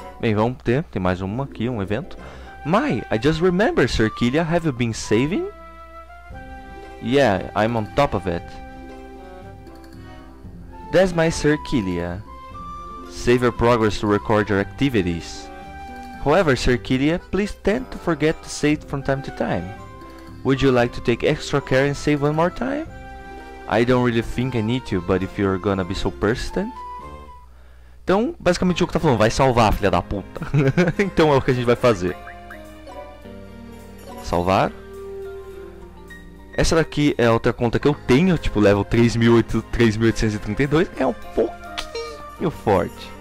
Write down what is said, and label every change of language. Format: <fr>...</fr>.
<pt>Bem, vamos ter, tem mais uma aqui, um evento.</pt> <en>My, I just remember, Serquilia, have you been saving? Yeah, I'm on top of it. That's my Serquilia. Save your progress to record your activities. However, Serquilia, please tend to forget to save from time to time. Would you like to take extra care and save one more time? I don't really think I need to, but if you're gonna be so persistent...</en> <pt>Então, basicamente o que tá falando, vai salvar, filha da puta. Então é o que a gente vai fazer. Salvar. Essa daqui é outra conta que eu tenho, tipo, level 3832. É um pouquinho forte.</pt>